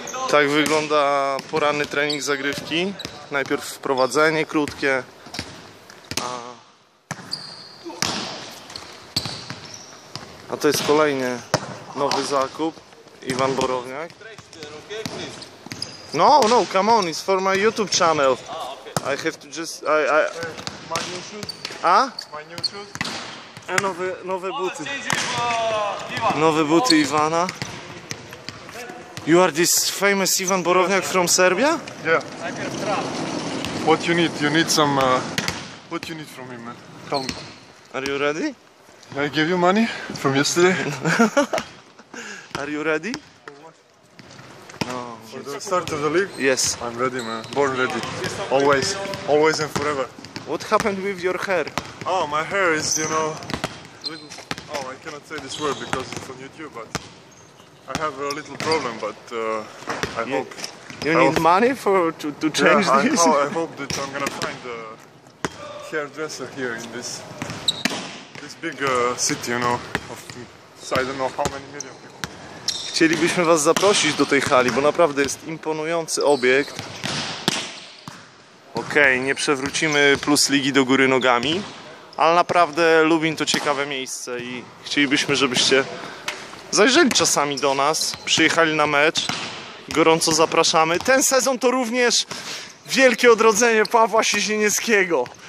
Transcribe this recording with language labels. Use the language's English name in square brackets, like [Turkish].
[Polish] Tak wygląda poranny trening zagrywki. Najpierw wprowadzenie krótkie. A to jest kolejny nowy zakup. Iwan Borowniak. [English] No, no, come on, it's for my YouTube channel. I have to just... My new shoes. A? My new shoes. [Polish] A nowe buty. Nowe buty Iwana. [English] You are this famous Ivan Borovnjak from Serbia? Yeah. I can trap. What you need? You need some... What you need from me, man? Tell me. Are you ready? I gave you money from yesterday. Are you ready? For what? No. For the start of the league? Yes. I'm ready, man. Born ready. Always. Always and forever. What happened with your hair? Oh, my hair is, you know... Oh, I cannot say this word because it's on YouTube, but... I have a little problem, but I hope... You need money to change this? I hope that I'm gonna find a hairdresser here in this big city, you know, of I don't know how many million people. [Polish] Chcielibyśmy was zaprosić do tej hali, bo naprawdę jest imponujący obiekt. Okej, nie przewrócimy plus ligi do góry nogami, ale naprawdę Lubin to ciekawe miejsce i chcielibyśmy, żebyście zajrzeli czasami do nas, przyjechali na mecz, gorąco zapraszamy. Ten sezon to również wielkie odrodzenie Pawła Siezienieckiego.